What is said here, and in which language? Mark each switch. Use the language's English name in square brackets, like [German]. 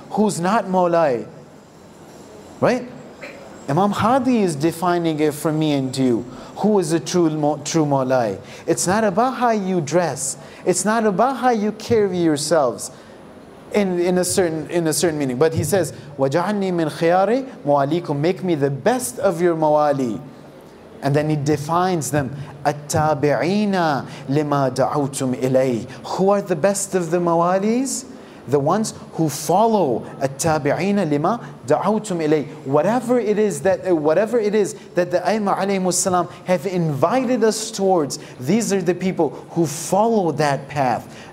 [English] Who's not mawlai? Right? Imam Hadi is defining it for me and you. Who is a true mawlai? It's not about how you dress. It's not about how you carry yourselves in a certain meaning. But he says, [Arabic] وَجَعَلْنِي مِنْ خِيَارِ مُوَالِيكُمْ. [English] Make me the best of your mawali. And then he defines them, [Arabic] التابعين لما دعوتم إليه. [English] Who are the best of the mawalis? The ones who follow, [Arabic] التابعين لما دعوتم إليه. [English] Whatever it is that the Aimah alayhi salam have invited us towards, these are the people who follow that path.